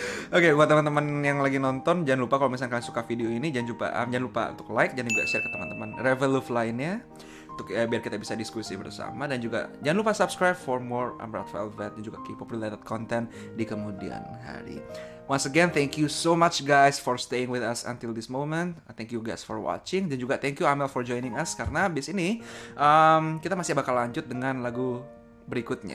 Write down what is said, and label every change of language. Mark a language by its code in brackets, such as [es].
[id] Oke, buat teman-teman yang lagi nonton, jangan lupa kalau misalnya kalian suka video ini jangan lupa untuk like, jangan juga share ke teman-teman Revelove lainnya untuk biar kita bisa diskusi bersama, dan juga jangan lupa [en] subscribe for more [id] Umbrella Velvet dan juga [en] K-pop related content [id] di kemudian hari. [en] Once again, thank you so much guys for staying with us until this moment. Thank you guys for watching. [id] Dan juga [en] thank you Amel for joining us. [id] Karena abis ini, kita masih bakal lanjut dengan lagu berikutnya.